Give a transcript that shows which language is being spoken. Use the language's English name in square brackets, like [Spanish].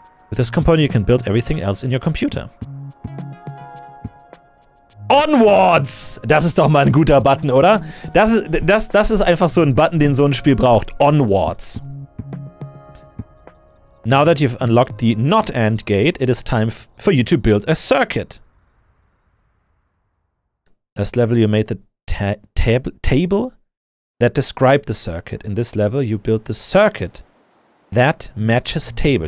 [English] With this component you can build everything else in your computer. Onwards! [German] Das ist doch mal ein guter Button, oder? Das ist einfach so ein Button, den so ein Spiel braucht. [English] Onwards. Now that you've unlocked the not AND gate, it is time for you to build a circuit. Last level you made the table that described the circuit. In this level you built the circuit that matches table.